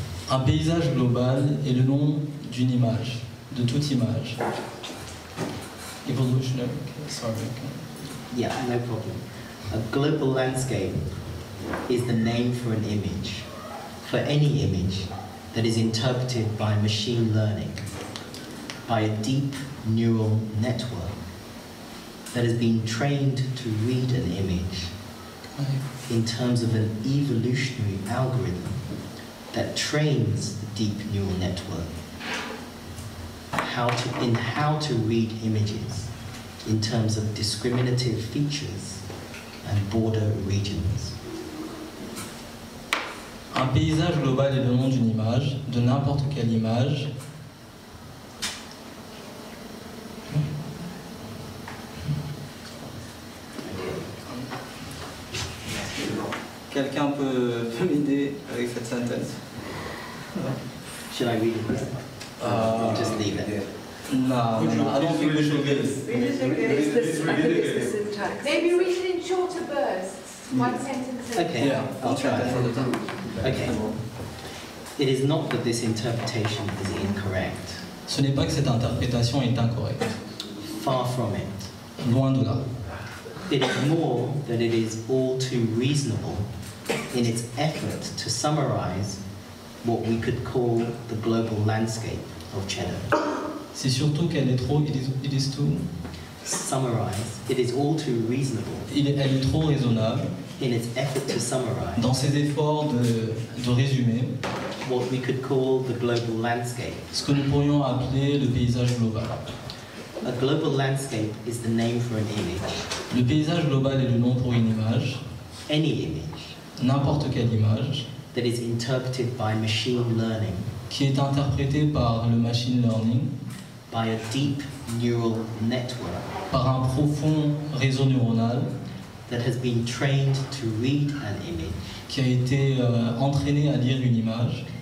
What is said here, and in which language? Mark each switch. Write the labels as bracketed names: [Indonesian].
[French] Un paysage global est le nom d'une image, de toute image. [English] Evolutionary, sorry. Yeah, no problem. A global landscape is the name for an image, for any image that is interpreted by machine learning, by a deep neural network that has been trained to read an image in terms of an evolutionary algorithm that trains the deep neural network how to read images in terms of discriminative features and border regions. [French] Un paysage global est le nom d'une image, de n'importe quelle image. Quelqu'un peut m'aider avec cette synthèse? [English] Should I read it? Or just leave it? No, I don't think we should read it. Maybe read it in shorter bursts, one sentence. Okay, yeah, I'll try it for the time. Okay. It is not that this interpretation is incorrect. [French] Ce n'est pas que cette interprétation est incorrecte. [English] Far from it. [French] Loin de là. [English] It is more that it is all too reasonable in its effort to summarize what we could call the global landscape of cheddar. [French] C'est surtout qu'elle est trop, [English] it is too... Summarize. It is all too reasonable. [French] Elle est trop raisonnable. [English] In its effort to summarize. [French] Dans ses efforts de résumer. [English] What we could call the global landscape. [French] Ce que nous pourrions appeler le paysage global. [English] A global landscape is the name for an image. [French] Le paysage global est le nom pour une image. [English] Any image. [French] N'importe quelle image. [English] That is interpreted by machine learning. [French] Qui est interprétée par le machine learning. [English] By a deep neural network. [French] Par un profond réseau neuronal. [English] That has been trained to read an image. [French] Qui a été entraîné à lire une image.